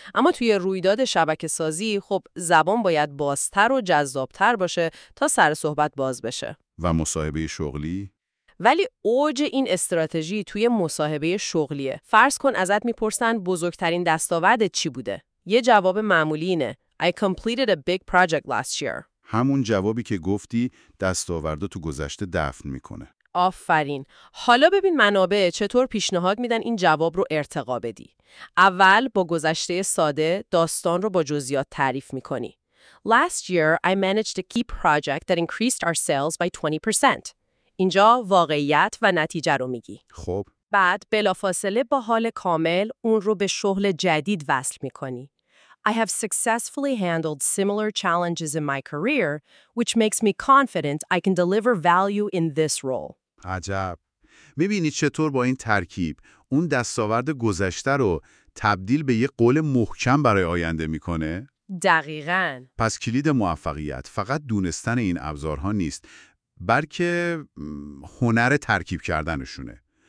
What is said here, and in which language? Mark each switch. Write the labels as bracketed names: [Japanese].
[Persian] اما توی رویداد شبکه سازی خب زبان باید بازتر و جذابتر باشه تا سر صحبت باز بشه. و مصاحبه شغلی؟ ولی اوج این استراتژی توی مصاحبه شغلیه. فرض کن ازت میپرسن بزرگترین دستاورد چی بوده؟ یه جواب معمولی اینه. [English] I completed a big project last year. [Persian] همون جوابی که گفتی دستاوردها تو گذشته دفن میکنه. آفرین. حالا ببین منابع چطور پیشنهاد میدن این جواب رو ارتقا بدی. اول با گذشته ساده داستان رو با جزئیات تعریف میکنی. [English] Last year I managed a key project that increased our sales by 20%. [Persian] اینجا واقعیت و نتیجه رو میگی. خب. بعد بلافاصله با حال کامل اون رو به شغل جدید وصل میکنی. [English] I have successfully handled similar challenges in my career, which makes me confident I can deliver value in this role. [Persian] عجب. می‌بینی چطور با این ترکیب اون دستاورد گذشته رو تبدیل به یه قول محکم برای آینده می‌کنه؟ دقیقاً. پس کلید موفقیت فقط دونستن این ابزارها نیست، بلکه هنر ترکیب کردنشونه.